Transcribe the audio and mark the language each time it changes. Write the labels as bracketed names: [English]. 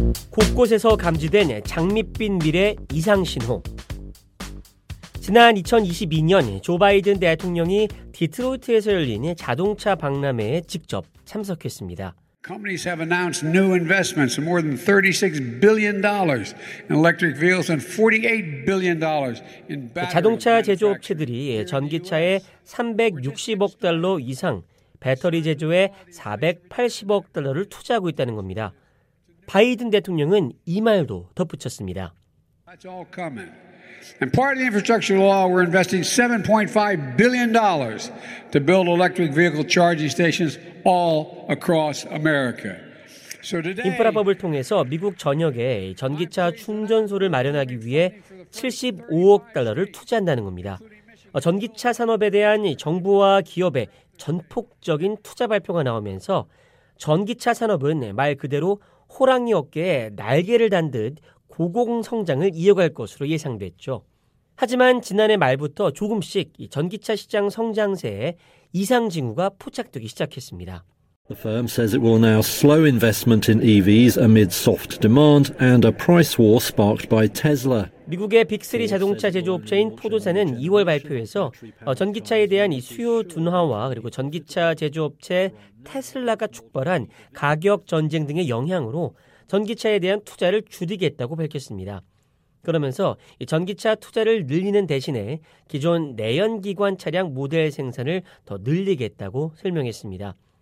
[Korean] 곳곳에서 감지된 장밋빛 미래 이상신호. 지난 2022년 조 바이든 대통령이 디트로이트에서 열린 자동차 박람회에 직접 참석했습니다. [English] Companies have announced new investments of more than $36 billion in electric vehicles and $48 billion in battery. [Korean] 자동차 제조업체들이 전기차에 360억 달러 이상, 배터리 제조에 480억 달러를 투자하고 있다는 겁니다. 바이든 대통령은 이 말도 덧붙였습니다. [English] That's all coming. And part of the infrastructure law, we're investing $7.5 billion to build electric vehicle charging stations all across America. [Korean] 인프라법을 통해서 미국 전역에 전기차 충전소를 마련하기 위해 75억 달러를 투자한다는 겁니다. 전기차 산업에 대한 정부와 기업의 전폭적인 투자 발표가 나오면서 전기차 산업은 말 그대로 호랑이 어깨에 날개를 단 듯 고공성장을 이어갈 것으로 예상됐죠. 하지만 지난해 말부터 조금씩 전기차 시장 성장세에 이상징후가 포착되기 시작했습니다. [English] The firm says it will now slow investment in EVs amid soft demand and a price war sparked by Tesla. [Korean] 미국의 빅3 자동차 제조업체인 포드사는 2월 발표에서 전기차에 대한 이 수요 둔화와 그리고 전기차 제조업체 테슬라가 촉발한 가격 전쟁 등의 영향으로 전기차에 대한 투자를 줄이겠다고 밝혔습니다. 그러면서 전기차 투자를 늘리는 대신에 기존 내연기관 차량 모델 생산을 더 늘리겠다고 설명했습니다.